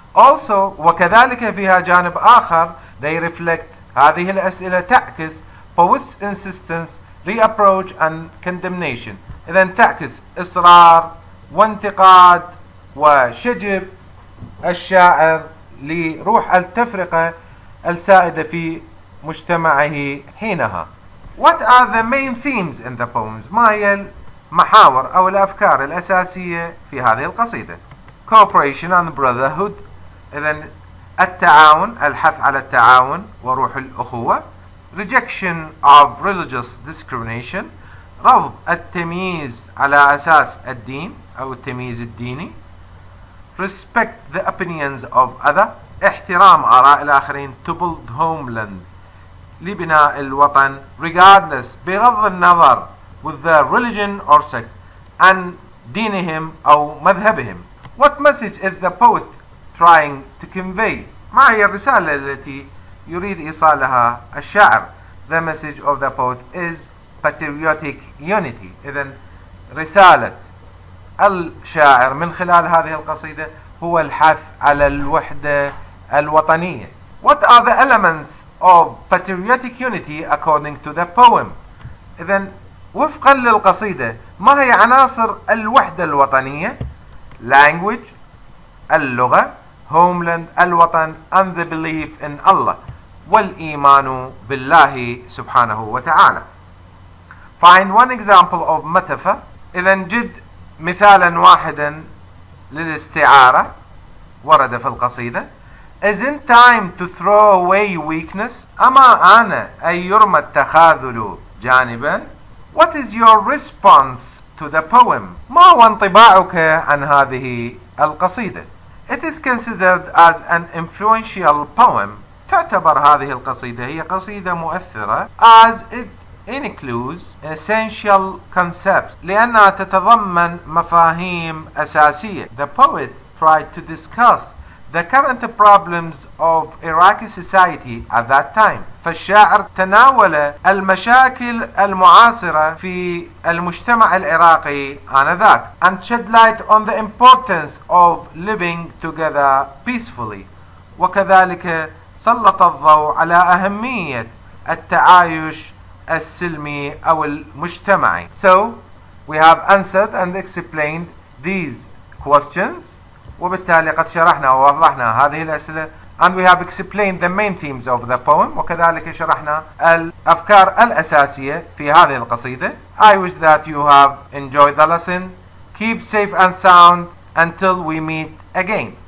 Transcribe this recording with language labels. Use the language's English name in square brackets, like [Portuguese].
[English] Also [Arabic] وكذلك فيها جانب آخر [English] they reflect [Arabic] هذه الأسئلة تعكس [English] poet's insistence, reapproach and condemnation. [Arabic] إذن تعكس إصرار وانتقاد وشجب الشاعر لروح التفرقة السائدة في مجتمعه حينها. [English] What are the main themes in the poems? [Arabic] ما هي المحاور أو الأفكار الأساسية في هذه القصيدة؟ [English] Cooperation and brotherhood. [Arabic] إذن التعاون، الحث على التعاون وروح الأخوة. [English] Rejection of religious discrimination. [Arabic] رفض التمييز على أساس الدين أو التمييز الديني. [English] Respect the opinions of other. [Arabic] احترام آراء الآخرين. [English] To build homeland. [Arabic] لبناء الوطن. [English] Regardless. [Arabic] بغض النظر. [English] With their religion or sect. [Arabic] عن دينهم أو مذهبهم. [English] What message is the poet trying to convey? [Arabic] ما هي الرسالة التي يريد إيصالها الشاعر؟ [English] The message of the poet is patriotic unity. [Arabic] إذن رسالة الشاعر من خلال هذه القصيدة هو الحث على الوحدة الوطنية. [English] What are the elements of patriotic unity according to the poem? [Arabic] إذن وفقا للقصيدة ما هي عناصر الوحدة الوطنية؟ Language اللغة, homeland الوطن, [English] and the belief in Allah [Arabic] والإيمان بالله سبحانه وتعالى. [English] Find one example of metaphor. [Arabic] إذن جد مثالا واحدا للاستعارة ورد في القصيدة. [English] Isn't time to throw away weakness? [Arabic] أما أنا أن يرمى التخاذل جانبا. [English] What is your response to the poem? [Arabic] ما هو انطباعك عن هذه القصيدة؟ [English] It is considered as an influential poem. [Arabic] تعتبر هذه القصيدة هي قصيدة مؤثرة [English] as it includes essential concepts [Arabic] لأنها تتضمن مفاهيم أساسية. [English] The poet tried to discuss the current problems of Iraqi society at that time. [Arabic] فالشاعر تناول المشاكل المعاصرة في المجتمع العراقي آنذاك. [English] And shed light on the importance of living together peacefully. [Arabic] وكذلك سلط الضوء على أهمية التعايش السلمي أو المجتمعي. [English] So, we have answered and explained these questions. [Arabic] وبالتالي قد شرحنا ووضحنا هذه الأسئلة. [English] And we have explained the main themes of the poem. [Arabic] وكذلك شرحنا الأفكار الأساسية في هذه القصيدة. [English] I wish that you have enjoyed the lesson. Keep safe and sound until we meet again.